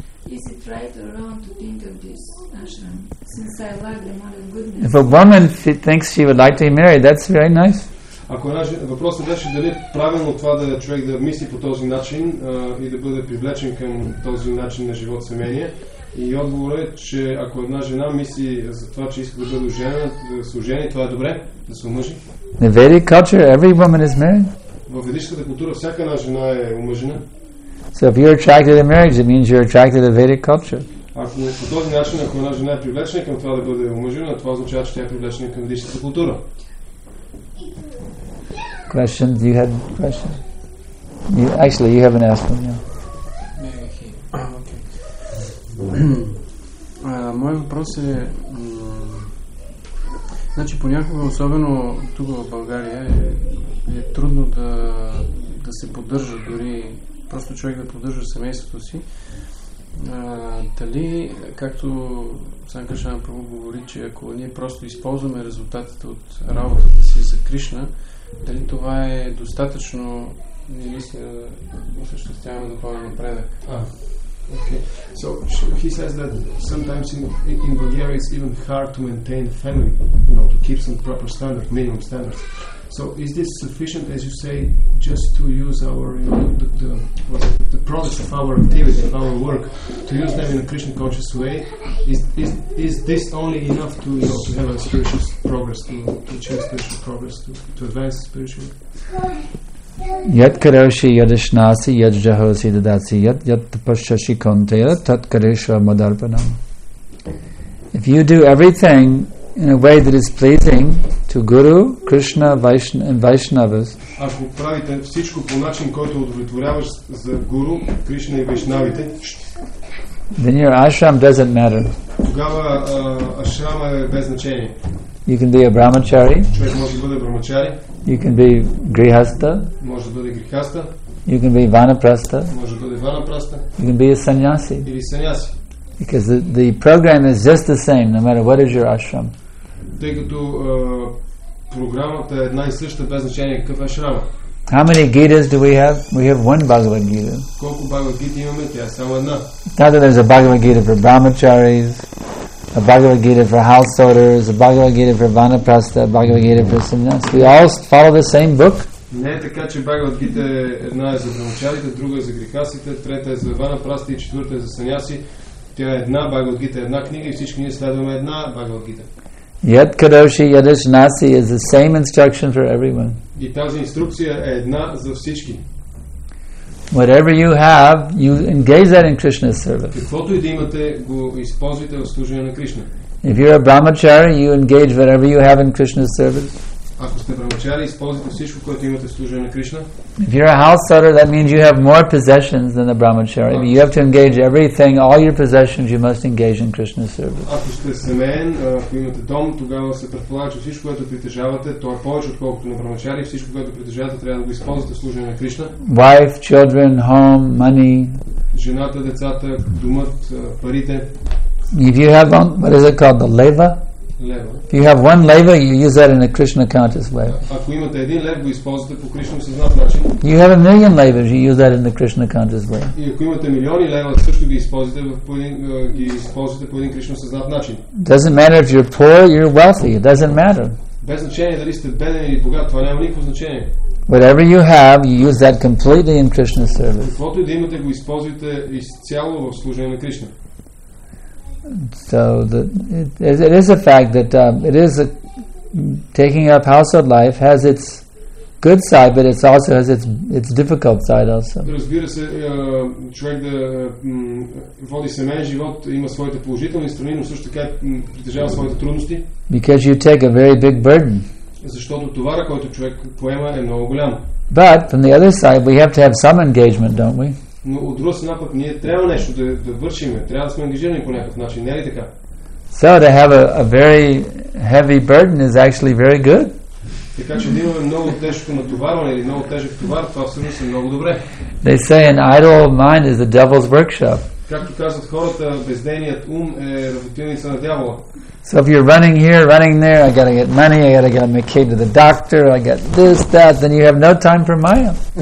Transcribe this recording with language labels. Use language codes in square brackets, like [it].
[en] Is it right or wrong to think of this ashram? Since I lack the mother goodness. If a woman thinks she would like to be married, that's very nice. [bg] Ако въпросът беше дали правилно това да човек да мисли по този начин и да бъде привлечен към този начин на живот семейния, и отговорът е, че ако една жена мисли за това, че иска да бъде жена, да се ожени, това е добре, да се омъжи. [en] In the Vedic culture, every woman is married. [bg] В ведическата култура всяка една жена е омъжена. [en] So if you're attracted to marriage, it means you're attracted to Vedic culture. [bg] Ако по този начин, ако една жена е привлечена към това да бъде омъжена, това означава, че тя е привлечена към ведическата култура. [en] Question? Do you have a question? Actually, you haven't asked one yet. Okay. [bg] Мой въпрос е... Значи понякога, особено тук в България, е трудно да се поддържа, дори просто човек да поддържа семейството си. Дали, както Сан Кришна Прабху говори, че ако ние просто използваме резултатите от работата си за Кришна, дали това е достатъчно, не мисля, да осъществяваме духовен напредък? [en] Okay, so he says that sometimes in Bulgaria it's even hard to maintain a family, you know, to keep some proper standards, minimum standards. So is this sufficient, as you say, just to use our, you know, the products of our activity, of our work, to use them in a Krishna conscious way? Is this only enough to, you know, to have a spiritual progress, to achieve spiritual progress, to advance spiritually? [sa] Yat karoshi yadishnasi yajjahosi dadasi yat yat pashashi kaunteya tat kareshva madarpanam. [en] if you do everything in a way that is pleasing to Guru, Krishna, and Vaishnavas, [bg] ако правите всичко по начин, който удовлетворяваш за Гуру, Кришна и Вайшнавите, [en] then your ashram doesn't matter. [bg] Тогава ашрама е без значение. [en] You can be a brahmachari. [bg] Човек може да бъде брамачари. [en] You can be grihastha. [bg] Може да бъде грихаста. [en] You can be vanaprastha. [bg] Може да бъде ванапраста. [en] You can be a sannyasi. [bg] Или саньяси. [en] Because the program is just the same, no matter what is your ashram. [bg] Тъй като програмата е една и съща, без значение какъв е ашрама. [en] How many Gitas do we have? We have one Bhagavad Gita. [bg] Колко Bhagavad Gita имаме? Тя е само една. [en] Not that there's a Bhagavad Gita for brahmacharis, a Bhagavad Gita for householders, a Bhagavad Gita for vanaprastha, a Bhagavad Gita for sannyas. We all follow the same book. [bg] Не е така, че Bhagavad Gita една е за брамачарите, друга е за грихасите, трета е за ванапрастите и четвърта е за саняси. Тя е една, Bhagavad Gita е една книга и всички ние следваме една Bhagavad Gita. [sa] Yad Kadoshi Yadish Nasi [en] is the same instruction for everyone. [bg] И тази инструкция е една за всички. [en] Whatever you have, you engage that in Krishna's service. [bg] Каквото и да имате, го използвайте в служение на Кришна. [en] If you're a brahmachari, you engage whatever you have in Krishna's service. [bg] Ако сте брамачари, използвайте всичко, което имате в служение на Кришна. [en] If you're a householder, that means you have more possessions than the brahmachari. I mean, you have to engage everything, all your possessions, you must engage in Krishna's service. [bg] Ако сте семеен, ако имате дом, тогава се предполага, че всичко, което притежавате, то е повече, отколкото на брамачари. Всичко, което притежавате, трябва да го използвате в служение на Кришна. [en] Wife, children, home, money. [bg] Жената, децата, домът, парите. [en] If you have one, what is it called? The leva? [bg] Лева. [en] If you have one leva, you use that in a Krishna conscious way. [bg] Ако имате един лев, го използвате по Кришна съзнат начин. [en] You have a million levas, you use that in the Krishna conscious way. [bg] И ако имате милиони лева, също ги използвате по един Кришна съзнат начин. [en] Doesn't matter if you're poor, you're wealthy. It doesn't matter. [bg] Без значение дали сте беден или богат, това няма никакво значение. [en] Whatever you have, you use that completely in Krishna service. [bg] Каквото и да имате, го използвате изцяло в служение на Кришна. [en] So it is a fact that taking up household life has its good side, but it also has its difficult side also. [bg] Разбира се, човек да води семейен живот има своите положителни страни, но също така притежава своите трудности. [en] Because you take a very big burden. [bg] Защото товара, който човек поема, е много голям. [en] But from the other side, we have to have some engagement, don't we? [bg] Но от друга страна пък ние трябва нещо да вършим, трябва да сме ангажирани по някакъв начин, не е ли така? [en] So to have a very heavy burden is actually very good. [bg] Така че да имаме много тежко натоварване или много тежък товар, това всъщност е много добре. [en] They say an idle mind is the devil's workshop. [bg] Както казват хората, бездейният ум е работилница на дявола. [en] So if you're running here, running there, I gotta get money, I gotta get my kid to the doctor, I got this, that, then you have no time for Maya.